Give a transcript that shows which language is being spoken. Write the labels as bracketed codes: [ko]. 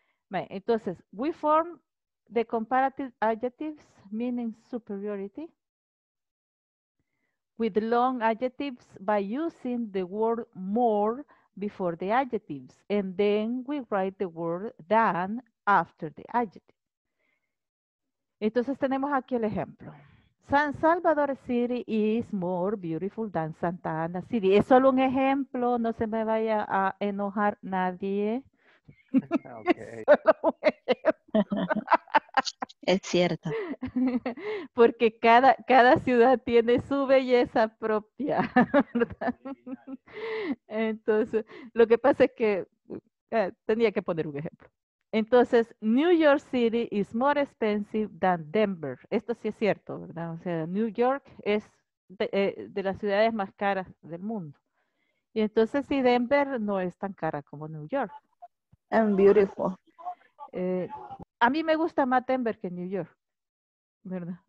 [es] Bien, entonces, [en] we form the comparative adjectives meaning superiority with long adjectives by using the word more before the adjectives, and then we write the word than after the adjective. [es] Entonces tenemos aquí el ejemplo. [en] San Salvador City is more beautiful than Santa Ana City. [es] Es solo un ejemplo, no se me vaya a enojar nadie. Okay. Es cierto. Porque cada ciudad tiene su belleza propia, ¿verdad? Entonces, lo que pasa es que tenía que poner un ejemplo. [en] Entonces, New York City is more expensive than Denver. [es] Esto sí es cierto, ¿verdad? O sea, New York es de las ciudades más caras del mundo. Y entonces, si Denver no es tan cara como New York. [en] And beautiful. [es] A mí me gusta más Denver que New York, ¿verdad?